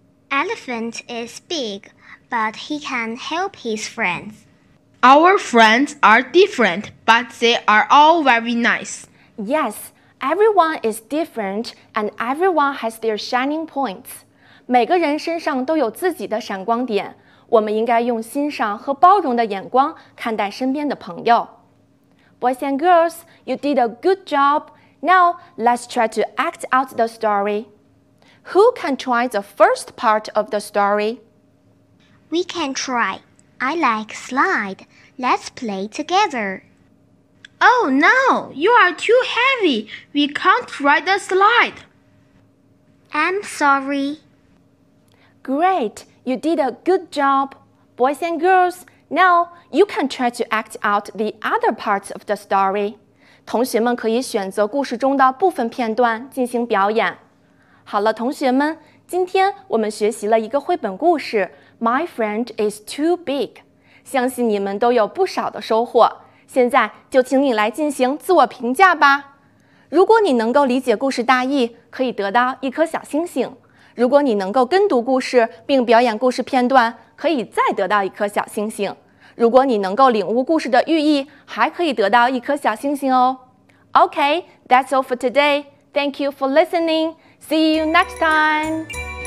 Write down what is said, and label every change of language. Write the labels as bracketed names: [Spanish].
[English] Elephant is big, but he can help his friends. Our friends are different, but they are all very nice. Yes, everyone is different and everyone has their shining points. [Chinese] 每个人身上都有自己的闪光点，我们应该用欣赏和包容的眼光看待身边的朋友。 [English] Boys and girls, you did a good job. Now, let's try to act out the story. Who can try the first part of the story? We can try. I like slide. Let's play together. Oh no, you are too heavy. We can't ride the slide. I'm sorry. Great, you did a good job. Boys and girls, now you can try to act out the other parts of the story. [Chinese] 同学们可以选择故事中的部分片段进行表演。好了，同学们，今天我们学习了一个绘本故事 [English] My Friend is Too Big. [Chinese] 相信你们都有不少的收获。现在就请你来进行自我评价吧。如果你能够理解故事大意，可以得到一颗小星星。如果你能够跟读故事并表演故事片段，可以再得到一颗小星星。如果你能够领悟故事的寓意，还可以得到一颗小星星哦。 [English] Okay, that's all for today. Thank you for listening. See you next time.